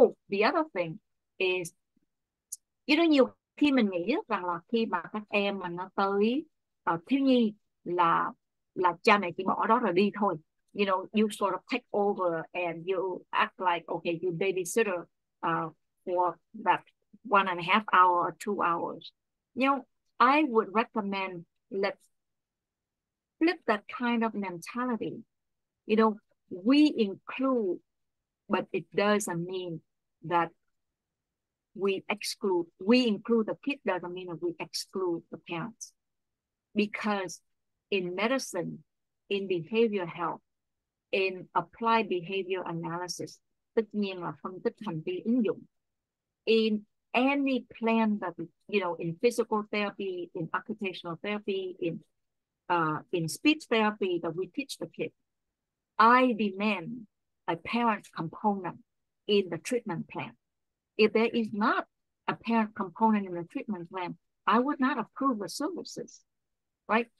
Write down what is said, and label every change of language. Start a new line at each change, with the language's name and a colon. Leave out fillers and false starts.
English: The other thing is, you know,
Vietnamese: nhiều khi mình nghĩ rằng là khi mà các em mà nó tới thiếu nhi là cha mẹ chỉ bỏ đó rồi đi thôi.
English: You know, you sort of take over and you act like, okay, you babysitter for that 1.5 hour or 2 hours. You know, I would recommend let's flip that kind of mentality. You know, we include, but it doesn't mean that we exclude. We include the kid doesn't mean that we exclude the parents. Because in medicine, in behavioral health, in applied behavior analysis,
Vietnamese: tất nhiên là phân tích hành vi ứng dụng.
English: In any plan that, you know, in physical therapy, in occupational therapy, in speech therapy that we teach the kid, I demand a parent component in the treatment plan. If there is not a parent component in the treatment plan, I would not approve the services, right?